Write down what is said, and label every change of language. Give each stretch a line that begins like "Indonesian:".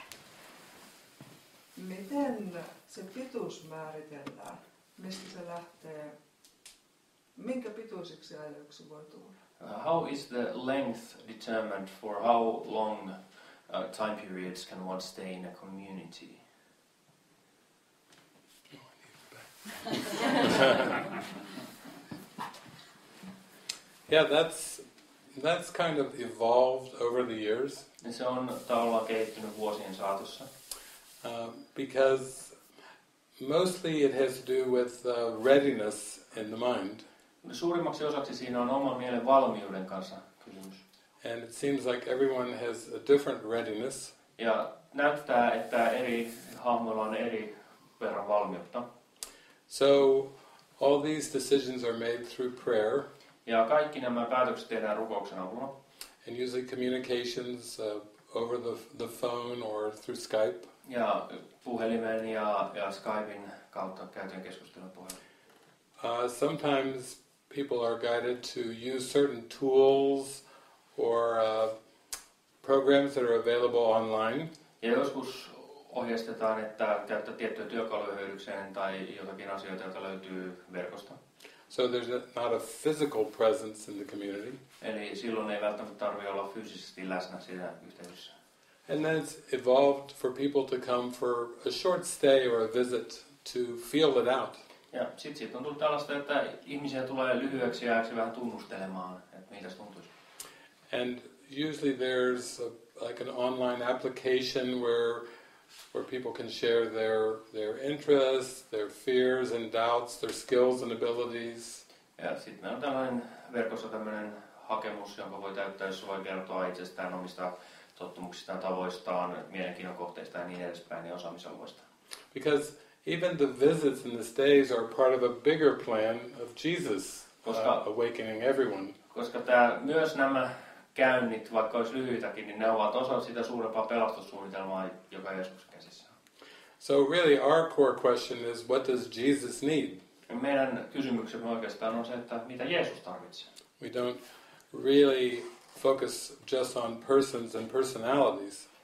English: Okay, I'll do first one.
Finnish: Eli tänne ensimmäinen kysymys. Miten se pituus määritellään? Mistä se lähtee? Minkä pituiseksi ajoiksi voi tulla?
English: How is the length determined for how long time periods can one stay in a community? Yeah, that's kind of evolved over the years.
Finnish: Ja se on tavallaan kehittynyt vuosien saatossa.
English: Because mostly it has to do with readiness in the mind.
Finnish: Suurimmaksi osaksi siinä on oman mielen valmiuden kanssa kysymys.
English: And it seems like everyone has a different readiness.
Finnish: Ja näyttää, että eri hahmoilla on eri verran valmiutta.
English: So all these decisions are made through prayer.
Finnish: Ja kaikki nämä päätökset tehdään rukouksen avulla.
English: And usually communications over the phone or through Skype.
Finnish: Ja puhelimen ja Skypein kautta käytetään keskustelua puhelimella.
English: Sometimes people are guided to use certain tools or programs that are available online.
Finnish: Ja joskus ohjeistetaan, että käyttää tiettyä työkalua hyödykseen tai jotakin asioita, joita löytyy verkosta.
English: So there's not a physical presence in the community.
Finnish: Eli silloin ei välttämättä tarvitse olla fyysisesti läsnä siinä yhteydessä.
English: And then it's evolved for people to come for a short stay or a visit to feel it out.
Finnish: Ja sitten siitä on tullut tällaista, että ihmisiä tulee lyhyeksi ajaksi vähän tunnustelemaan, että miltä se tuntuisi.
English: And usually there's like an online application where people can share their interests, their fears and doubts, their skills and abilities.
Finnish: Ja sitten meillä on tällainen verkossa tämmöinen hakemus, jonka voi täyttää, jos voi kertoa itsestään omista tottumuksistaan, tavoistaan, mielenkiinnon kohteista ja niin edespäin, niin osaamisalueista.
English: Because even the visits and the stays are part of a bigger plan of Jesus awakening everyone.
Finnish: Koska tämä, myös nämä käynnit, vaikka olisi lyhyitäkin, niin ne ovat osa sitä suurempaa pelastussuunnitelmaa, joka Jeesus käsissä on.
English: So really our core question is, what does Jesus need?
Finnish: Meidän kysymyksemme oikeastaan on se, että mitä Jeesus tarvitsee.
English: We don't really focus just on persons and personalities.